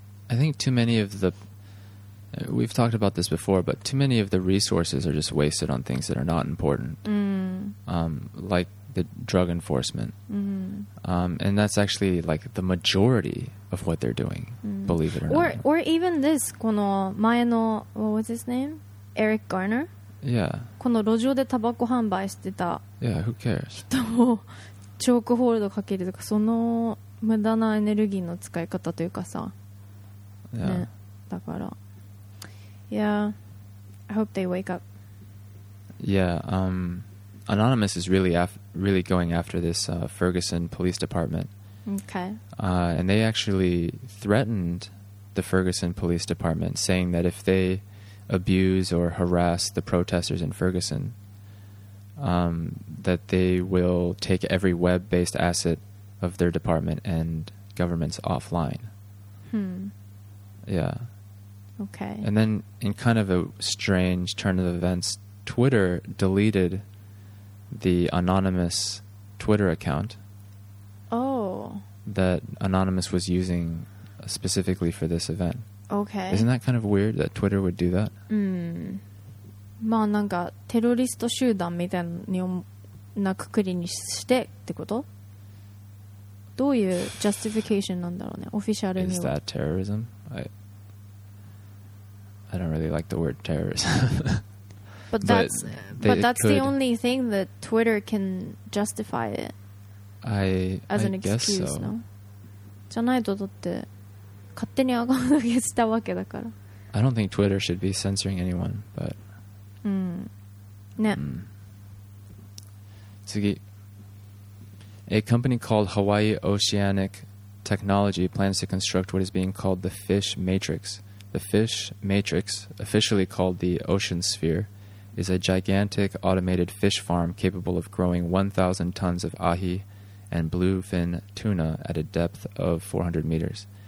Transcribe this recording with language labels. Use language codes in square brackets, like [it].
[en] I think too many of the, we've talked about this before, but too many of the resources are just wasted on things that are not important. Like the drug enforcement. And that's actually like the majority of what they're doing, believe it or not. Or even this, [ja] この前の [en] what was his name? Eric Garner? Yeah. [ja] この路上でタバコ販売してた人をチョークホールドかけるとか、その無駄なエネルギーの使い方というかさ、ね、だから、 [en] Yeah, I hope they wake up. Yeah, Anonymous is really going after this Ferguson Police Department. Okay. And they actually threatened the Ferguson Police Department, saying that if they abuse or harass the protesters in Ferguson, that they will take every web-based asset of their department and governments offline. Yeah. Okay. And then, in kind of a strange turn of events, Twitter deleted the anonymous Twitter account. Oh. That Anonymous was using specifically for this event. Okay. Isn't that kind of weird that Twitter would do that? [ja] まあなんかテロリスト集団みたいなくくりにしてってこと？どういう justification なんだろうね、オフィシャルには。 [en] Is that terrorism? I don't really like the word terrorism. but that's the only thing that Twitter can justify it. I guess so. No? [ja] じゃないとだって。勝手にアカウント消したわけだから。 [en] I don't think Twitter should be censoring anyone, but. [ja] ね。次。 [en] A company called Hawaii Oceanic Technology plans to construct what is being called the Fish Matrix. The Fish Matrix, officially called the Ocean Sphere, is a gigantic automated fish farm capable of growing 1,000 tons of ahi and bluefin tuna at a depth of 400 meters.